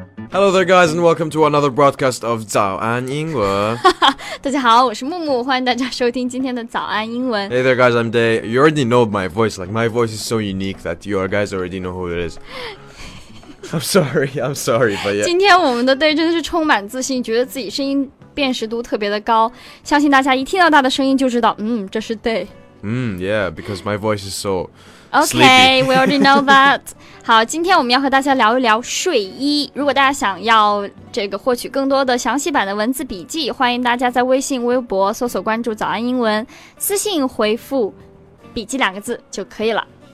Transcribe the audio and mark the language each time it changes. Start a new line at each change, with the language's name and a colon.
English: Hello there, guys, and welcome to another broadcast of 早安英文。
Chinese: 大家好，我是木木，欢迎大家收听今天的早安英文。
English: Hey there, guys, I'm Day. You already know my voice. Like, my voice is so unique that you guys already know who it is. I'm sorry, but yeah.
Chinese: 今天我们的 Day 真的是充满自信，觉得自己声音辨识度特别的高。相信大家一听到他的声音就知道，这是 Day。
English: Yeah, because my voice is so sleepy. Okay, we already know that.
Chinese: 好，今天我们要和大家聊一聊睡衣。如果大家想要这个获取更多的详细版的文字笔记，欢迎大家在微信、微博搜索关注早安英文，私信回复笔记两个字就可以了。